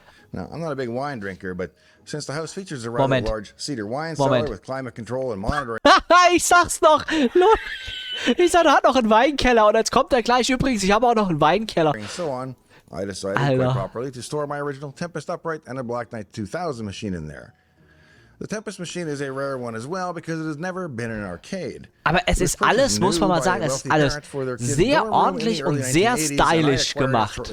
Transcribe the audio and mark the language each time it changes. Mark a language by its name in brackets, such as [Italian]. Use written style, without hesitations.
[English] Now, I'm not a big wine drinker, but since the house features a rather large cedar wine cellar with climate control and monitoring. [German] Ich sag's noch. Ich sag, er hat noch einen Weinkeller und jetzt kommt er gleich. Übrigens, ich habe auch noch einen Weinkeller. [English] I decided quite properly to store my original Tempest upright and a Black Knight 2000 machine in there. The Tempest machine is a rare one as well because it has never been in an arcade. [German] Aber es ist alles, muss man mal sagen, es ist alles sehr ordentlich und sehr stylisch gemacht.